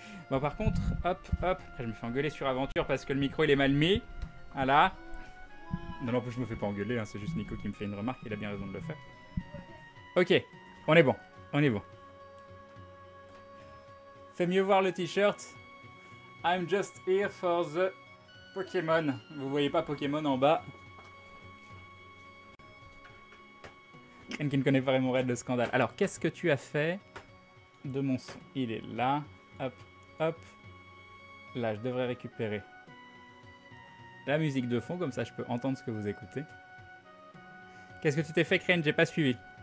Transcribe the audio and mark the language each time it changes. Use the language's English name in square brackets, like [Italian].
[French] Bon, par contre, hop, après je me fais engueuler sur Aventure parce que le micro il est mal mis. Voilà. Non, en plus je me fais pas engueuler, hein, c'est juste Nico qui me fait une remarque, il a bien raison de le faire. Ok, on est bon. Fais mieux voir le t-shirt. [English] I'm just here for the Pokémon. [French] Vous voyez pas Pokémon en bas. Ken qui ne connaît pas Rémorède, le scandale. Alors, qu'est-ce que tu as fait de mon son? Il est là, hop. Hop, là je devrais récupérer la musique de fond, comme ça je peux entendre ce que vous écoutez. Qu'est-ce que tu t'es fait, Crane? J'ai pas suivi.